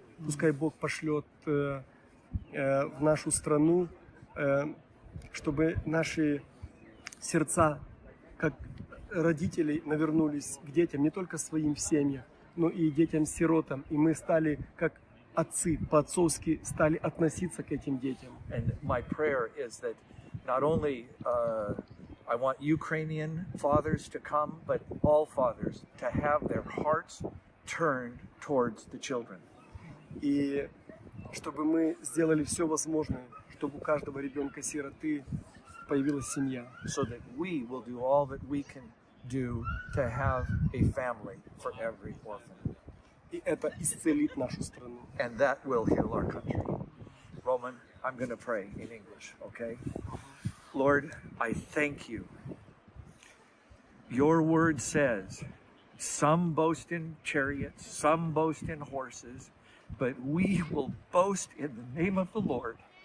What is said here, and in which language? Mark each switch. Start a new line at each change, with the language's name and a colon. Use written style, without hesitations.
Russian: Пускай Бог пошлёт в нашу страну, чтобы наши серця, як родителей, навернулись к дітям,
Ukrainian: не тільки своїм сім'ям,
Russian: но і дітям-сиротам, і ми стали як отцы, по-отцовски стали относиться к этим детям.
English: And my prayer is that not only I want Ukrainian fathers to come, but all fathers to have their hearts turned towards the children.
Ukrainian: І щоб ми зробили все можливе, щоб у кожного ребенка-сироти появилась сім'я.
English: So that we will do all that we can do to have a family for every orphan.
Ukrainian: І це ісцелить нашу страну.
English: And that will heal our country. Roman, I'm going to pray in English, okay? Lord, I thank you. Your word says, some boast in chariots, some boast in horses, but we will boast in the name of the Lord.